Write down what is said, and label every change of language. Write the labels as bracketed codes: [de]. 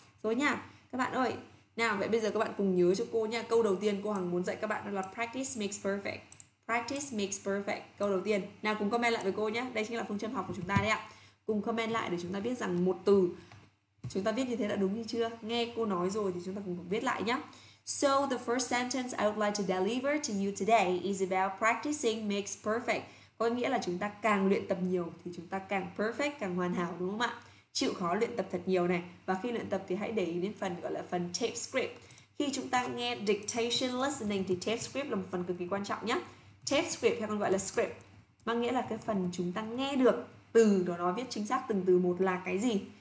[vi] Rồi nha các bạn ơi. Nào, vậy bây giờ các bạn cùng nhớ cho cô nha. Câu đầu tiên cô Hằng muốn dạy các bạn đó là [en] practice makes perfect. Practice makes perfect. [vi] Câu đầu tiên. Nào, cùng comment lại với cô nhé. Đây chính là phương châm học của chúng ta đấy ạ. Cùng comment lại để chúng ta biết rằng một từ chúng ta viết như thế đã đúng hay chưa. Nghe cô nói rồi thì chúng ta cùng viết lại nhé. [en] So the first sentence I would like to deliver to you today is about practicing makes perfect. [vi] Có nghĩa là chúng ta càng luyện tập nhiều thì chúng ta càng perfect, càng hoàn hảo, đúng không ạ? Chịu khó luyện tập thật nhiều này. Và khi luyện tập thì hãy để ý đến phần gọi là phần tape script. Khi chúng ta nghe dictation listening thì tape script là một phần cực kỳ quan trọng nhé. Tape script hay còn gọi là script, mang nghĩa là cái phần chúng ta nghe được từ đó nó viết chính xác từng từ một là cái gì.